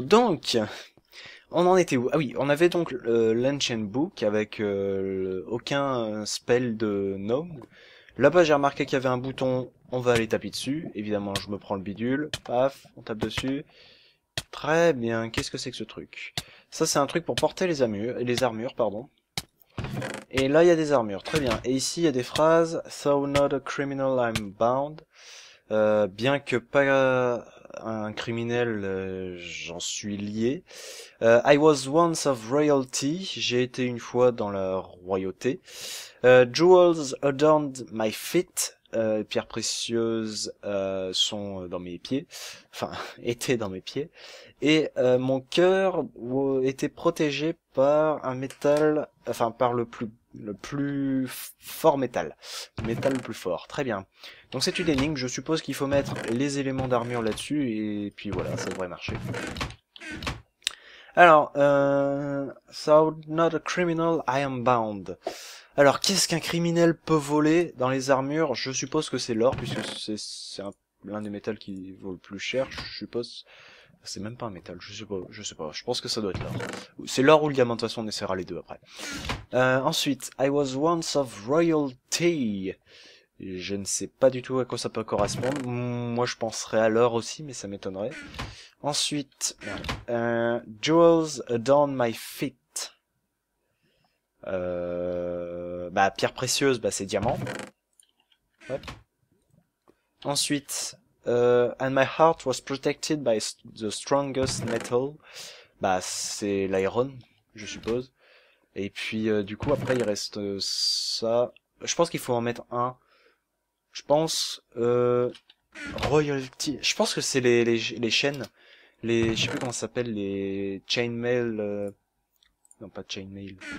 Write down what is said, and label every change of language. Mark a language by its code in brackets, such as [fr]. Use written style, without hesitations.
[fr] Donc, on en était où? Ah oui, on avait donc l'Ancient Book avec aucun spell de gnome. Là-bas, j'ai remarqué qu'il y avait un bouton. On va aller taper dessus. Évidemment, je me prends le bidule. Paf, on tape dessus. Très bien. Qu'est-ce que c'est que ce truc? Ça, c'est un truc pour porter les armures, pardon. Et là, il y a des armures. Très bien. Et ici, il y a des phrases. [en] Though not a criminal, I'm bound. [fr] Bien que pas un criminel, j'en suis lié. [en] I was once of royalty. [fr] J'ai été une fois dans la royauté. [en] Jewels adorned my feet. [fr] Pierres précieuses sont dans mes pieds. Enfin, étaient dans mes pieds. Et mon cœur était protégé par un métal. Enfin, par le plus fort métal. Métal le plus fort. Très bien. Donc c'est une énigme. Je suppose qu'il faut mettre les éléments d'armure là-dessus. Et puis voilà, ça devrait marcher. [en] Alors, so not a criminal, I am bound. [fr] Alors, qu'est-ce qu'un criminel peut voler dans les armures? Je suppose que c'est l'or, puisque c'est l'un des métals qui vaut le plus cher. Je suppose. C'est même pas un métal, je sais pas, je pense que ça doit être l'or. C'est l'or ou le diamant, de toute façon, on essaiera les deux après. [en] Ensuite, I was once of royalty. [fr] Je ne sais pas du tout à quoi ça peut correspondre. Moi, je penserais à l'or aussi, mais ça m'étonnerait. [en] Ensuite, jewels adorn my feet. [fr] Bah, pierre précieuse, bah, c'est diamant. Hop. [en] Ensuite, and my heart was protected by the strongest metal. [fr] Bah, c'est l'iron, je suppose. Et puis, du coup, après, il reste ça. Je pense qu'il faut en mettre un. Je pense, royalty. Je pense que c'est les chaînes. Je sais plus comment ça s'appelle, les chainmail. Non, pas chainmail.